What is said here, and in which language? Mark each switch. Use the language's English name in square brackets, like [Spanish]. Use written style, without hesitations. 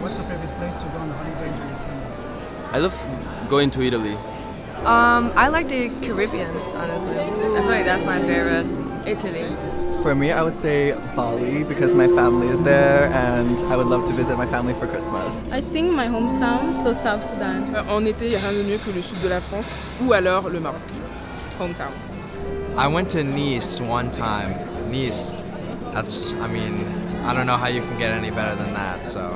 [English] What's your favorite place to go on holiday during summer? I love going to Italy. I like the Caribbean, honestly. I feel like that's my favorite, Italy. For me, I would say Bali, because my family is there and I would love to visit my family for Christmas. I think my hometown, so South Sudan. [French] En été, il n'y a rien de mieux que le sud de la France, ou alors le Maroc, hometown. [English] I went to Nice one time. Nice, that's, I mean, I don't know how you can get any better than that, so...